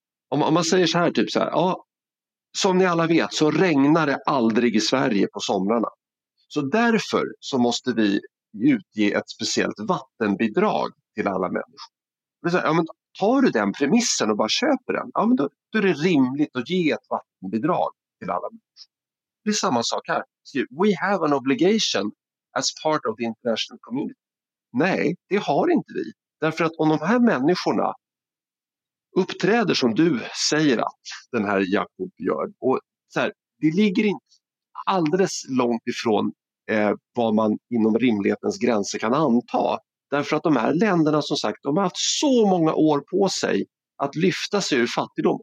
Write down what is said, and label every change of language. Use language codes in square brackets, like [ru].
[sv] Om man säger så här, typ så här, ja, som ni alla vet så regnar det aldrig i Sverige på somrarna. Så därför så måste vi utge ett speciellt vattenbidrag till alla människor. Så här, ja, men tar du den premissen och bara köper den, ja, men då är det rimligt att ge ett vattenbidrag till alla människor. Det är samma sak här. [en] We have an obligation as part of the international community. [sv] Nej, det har inte vi. Därför att om de här människorna uppträder som du säger att den här Jakob gör, och så här, det ligger inte alldeles långt ifrån vad man inom rimlighetens gränser kan anta. Därför att de här länderna, som sagt, de har haft så många år på sig att lyfta sig ur fattigdom.